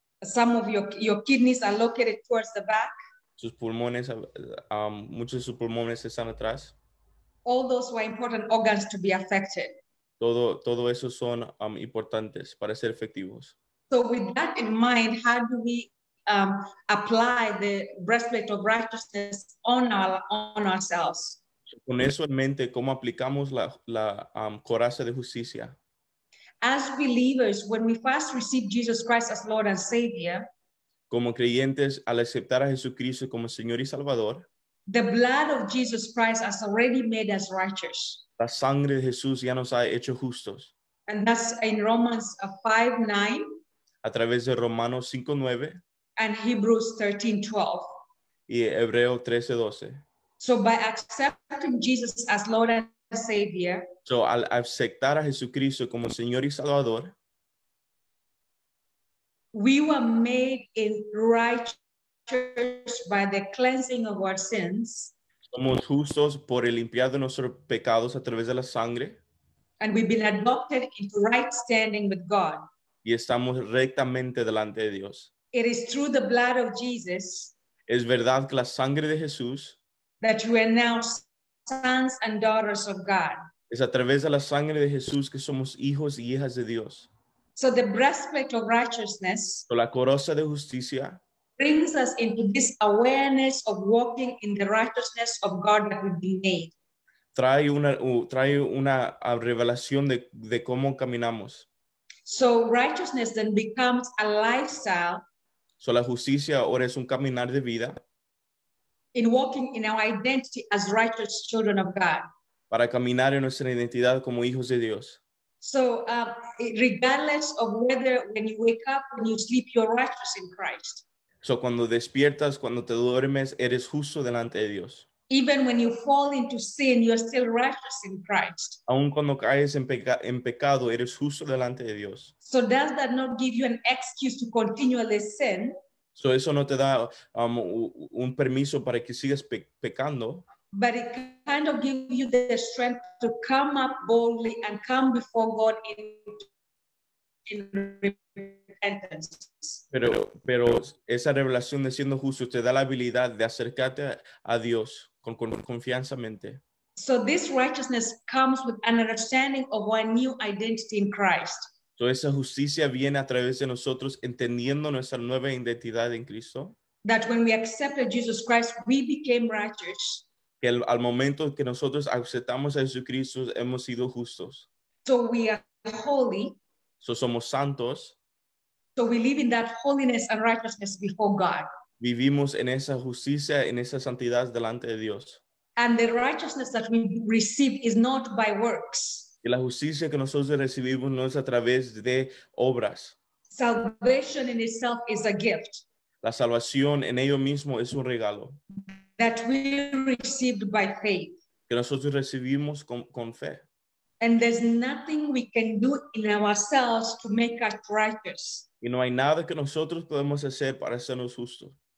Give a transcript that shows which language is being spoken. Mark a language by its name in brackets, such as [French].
[English] Some of your kidneys are located towards the back. [Spanish] Sus pulmones, muchos de sus pulmones están atrás. [English] All those were important organs to be affected. [Spanish] Todo eso son importantes para ser efectivos. [English] So with that in mind, how do we apply the breastplate of righteousness on ourselves? [Spanish] Con eso en mente, ¿cómo aplicamos la coraza de justicia? [English] As believers, when we first receive Jesus Christ as Lord and Savior, [Spanish] como creyentes, al aceptar a Jesucristo como Señor y Salvador, [English] the blood of Jesus Christ has already made us righteous. [Spanish] La sangre de Jesús ya nos ha hecho justos. [English] And that's in Romans 5:9. [Spanish] A través de Romanos 5:9. [English] And Hebrews 13:12. [Spanish] Y Hebreo 13:12. [English] So by accepting Jesus as Lord and Savior, [Spanish] so al aceptar a Jesucristo como Señor y Salvador, [English] we were made in righteous by the cleansing of our sins. [Spanish] Somos justos por el limpiar de nuestros pecados a través de la sangre. [English] And we've been adopted into right standing with God. [Spanish] Y estamos rectamente delante de Dios. [English] It is through the blood of Jesus. [Spanish] Es verdad que la sangre de Jesús. [English] That we are now sons and daughters of God. [Spanish] Es a través de la sangre de Jesús que somos hijos y hijas de Dios. [English] So the breastplate of righteousness. So [Spanish] la coraza de justicia. [English] Brings us into this awareness of walking in the righteousness of God that we've been made. [Spanish] Trae una revelación de cómo caminamos. [English] So righteousness then becomes a lifestyle. [Spanish] So la justicia ahora es un caminar de vida. [English] In walking in our identity as righteous children of God. [Spanish] Para caminar en nuestra identidad como hijos de Dios. [English] So regardless of whether when you wake up, when you sleep, you're righteous in Christ. [Spanish] So cuando despiertas, cuando te duermes, eres justo delante de Dios. [English] Even when you fall into sin, you're still righteous in Christ. [Spanish] Aun cuando caes en pecado, eres justo delante de Dios. [English] So does that not give you an excuse to continually sin? [Spanish] So eso no te da un permiso para que sigas pecando. [English] But it kind of gives you the strength to come up boldly and come before God in repentance. [Spanish] Pero esa revelación de siendo justo te da la habilidad de acercarte a Dios con confianzamente. [English] So this righteousness comes with an understanding of our new identity in Christ. [Spanish] So esa justicia viene a través de nosotros entendiendo nuestra nueva identidad en Cristo. [English] That when we accepted Jesus Christ, we became righteous. [Spanish] que el, al momento que nosotros aceptamos a Jesucristo hemos sido justos. [English] So we are holy. [Spanish] So somos santos. [English] So we live in that holiness and righteousness before God. [Spanish] Vivimos en esa justicia, en esa santidad delante de Dios. [English] And the righteousness that we receive is not by works. [Spanish] Y la justicia que nosotros recibimos no es a través de obras. [English] Salvation in itself is a gift. [Spanish] La salvación en ello mismo es un regalo. [English] That we received by faith. [Spanish] Que nosotros recibimos con fe. [English] And there's nothing we can do in ourselves to make us righteous. [Spanish] Y no hay nada que nosotros podemos hacer para hacernos justos.